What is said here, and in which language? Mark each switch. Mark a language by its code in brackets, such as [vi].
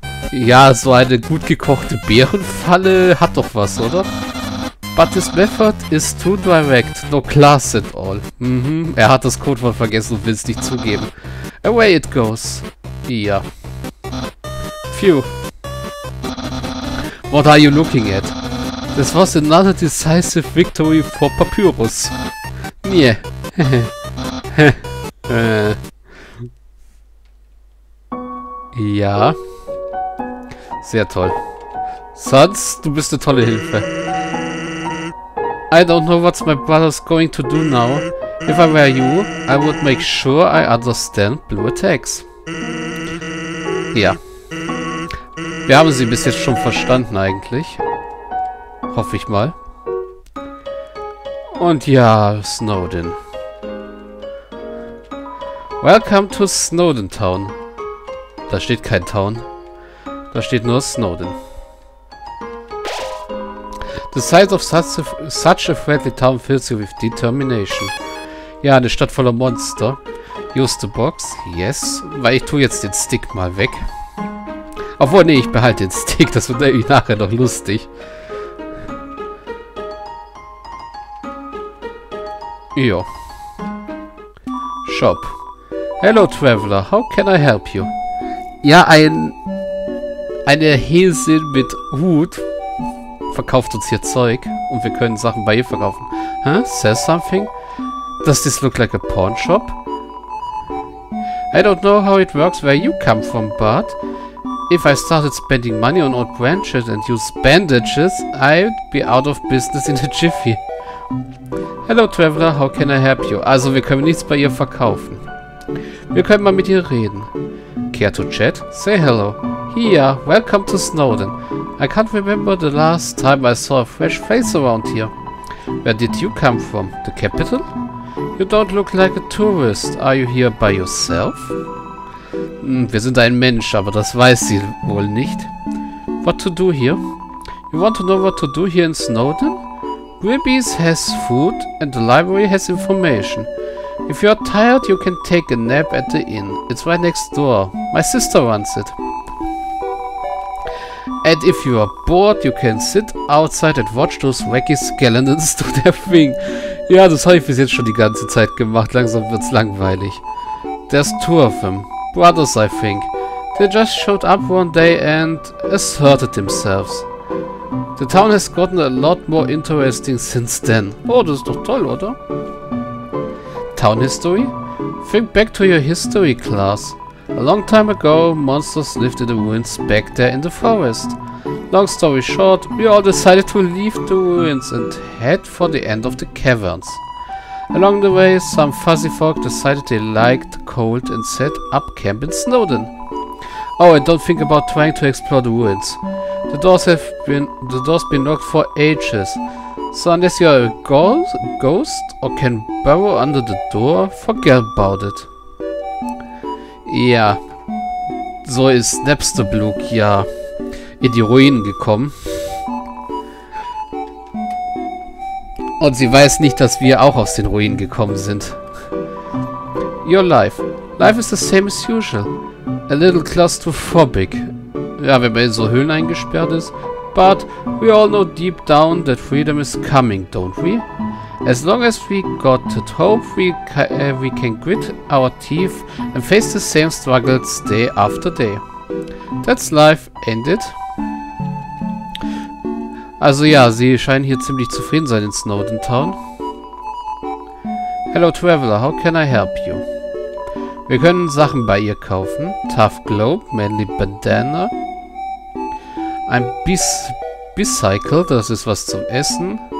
[de] Ja, so eine gut gekochte Bärenfalle hat doch was, oder? [en] But this method is too direct, no class at all. [de] Mhm, er hat das Codewort vergessen und will es nicht zugeben. [en] Away it goes. Ja. Phew. What are you looking at? This was another decisive victory for Papyrus. Nye. [de] Ja. Sehr toll. Sans, du bist eine tolle Hilfe. [en] I don't know what my brother's going to do now. If I were you, I would make sure I understand blue attacks. [de] Ja. Wir haben sie bis jetzt schon verstanden eigentlich. Hoffe ich mal. Und ja, Snowden. [en] Welcome to Snowden Town. [de] Da steht kein Town. Da steht nur Snowden. [en] The sight of such a friendly town fills you with determination. [de] Ja, eine Stadt voller Monster. [en] Use the box. Yes. [de] Weil ich tue jetzt den Stick mal weg. Obwohl, nee, ich behalte den Stick. Das wird nämlich nachher noch lustig. [en] Jo. Shop. Hello, Traveler. How can I help you? [de] Ja, eine Häsin mit Hut verkauft uns hier Zeug. Und wir können Sachen bei ihr verkaufen. [en] Huh? Says something? Does this look like a pawn shop? I don't know how it works where you come from, but if I started spending money on old branches and use bandages, I'd be out of business in a jiffy. Hello, Traveler, how can I help you? [de] Also, wir können nichts bei ihr verkaufen. Wir können mal mit ihr reden. [en] Care to chat? Say hello. Here, welcome to Snowden. I can't remember the last time I saw a fresh face around here. Where did you come from? The capital? You don't look like a tourist. Are you here by yourself? [de] Wir sind ein Mensch, aber das weiß sie wohl nicht. [en] What to do here? You want to know what to do here in Snowdon? Gribbies has food and the library has information. If you are tired, you can take a nap at the inn. It's right next door. My sister runs it. And if you are bored, you can sit outside and watch those wacky skeletons do their thing. [de] Ja, das habe ich bis jetzt schon die ganze Zeit gemacht. Langsam wird's langweilig. [en] There's two of them. Brothers, I think. They just showed up one day and asserted themselves. The town has gotten a lot more interesting since then. [de] Oh, das ist doch toll, oder? [en] Town history? Think back to your history class. A long time ago, monsters lived in the ruins back there in the forest. Long story short, we all decided to leave the ruins and head for the end of the caverns. Along the way, some fuzzy folk decided they liked the cold and set up camp in Snowdon. Oh, and don't think about trying to explore the ruins. The doors been locked for ages. So unless you are a ghost or can burrow under the door, forget about it. [de] Ja, so ist Snapsterblug ja in die Ruinen gekommen. Und sie weiß nicht, dass wir auch aus den Ruinen gekommen sind. [en] Your life. Life is the same as usual. A little claustrophobic. [de] Ja, wenn man in so Höhlen eingesperrt ist. [en] But we all know deep down that freedom is coming, don't we? As long as we got that hope, we can grit our teeth and face the same struggles day after day. That's life, ain't it? [de] Also ja, sie scheinen hier ziemlich zufrieden sein in Snowdon Town. [en] Hello Traveler, how can I help you? [de] Wir können Sachen bei ihr kaufen. Tough Globe, Manly Bandana. Ein Bicycle, das ist was zum Essen.